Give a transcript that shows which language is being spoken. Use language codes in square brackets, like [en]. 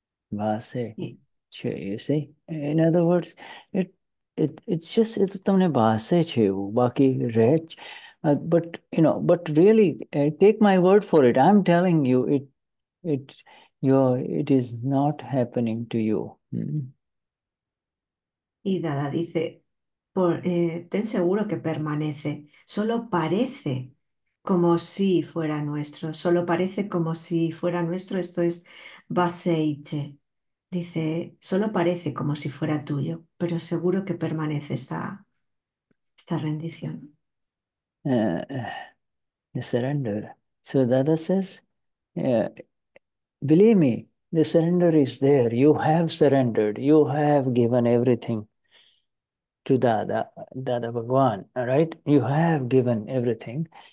[en] You see, in other words, it's just it's [gu] tumne baase che baki rech, [en] but really, take my word for it. I'm telling you, it is not happening to you. [es] Y Dada dice, ten seguro que permanece, solo parece como si fuera nuestro, solo parece como si fuera nuestro, esto es Baseiche. Dice, solo parece como si fuera tuyo, pero seguro que permanece esta rendición. [en] The surrender. So Dada says, believe me, the surrender is there. You have surrendered. You have given everything to Dada Bhagwan, all right? You have given everything.